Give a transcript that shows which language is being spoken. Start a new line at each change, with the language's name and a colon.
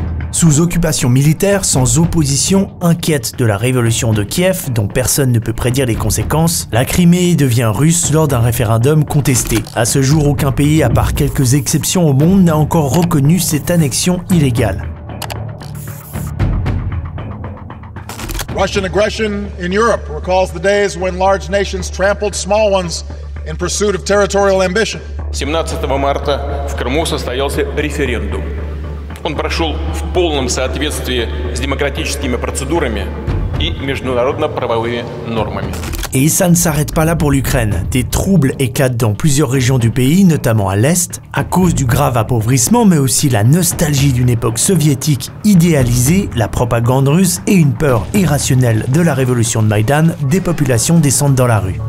French: Sous occupation militaire, sans opposition, inquiète de la révolution de Kiev, dont personne ne peut prédire les conséquences, la Crimée devient russe lors d'un référendum contesté. À ce jour, aucun pays, à part quelques exceptions au monde, n'a encore reconnu cette annexion illégale.
English: Russian aggression in Europe recalls the days when large nations trampled small ones in pursuit of territorial ambition.
Russian: 17 марта в Криму состоялся референдум. Он прошел в полном соответствии с демократическими процедурами и международно-правовыми нормами.
French: Et ça ne s'arrête pas là pour l'Ukraine. Des troubles éclatent dans plusieurs régions du pays, notamment à l'Est, à cause du grave appauvrissement, mais aussi la nostalgie d'une époque soviétique idéalisée, la propagande russe et une peur irrationnelle de la révolution de Maïdan, des populations descendent dans la rue.